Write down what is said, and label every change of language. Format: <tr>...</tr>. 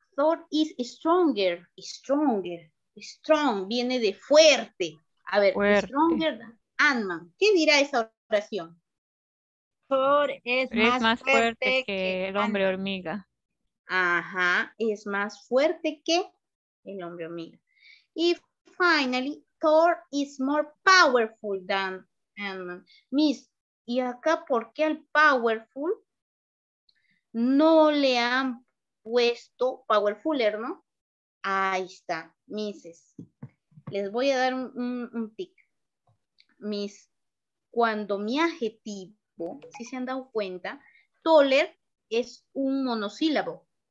<en>Thor is stronger. Stronger.</en> <es>Strong viene de fuerte. A ver, fuerte.</es> <en>Stronger than Ant-Man.</en> <es>¿Qué dirá esa oración? Thor es más fuerte que el hombre hormiga. Ajá, es más fuerte que el hombre hormiga.</es> <en>Y finally, Thor is more powerful than Ant-Man.</en> <es>Miss, ¿y acá por qué al powerful no le han puesto powerfuler, no? Ahí está, Misses. Les voy a dar un tic. Miss, cuando mi adjetivo, si se han dado cuenta, taller es un monosílabo.</es>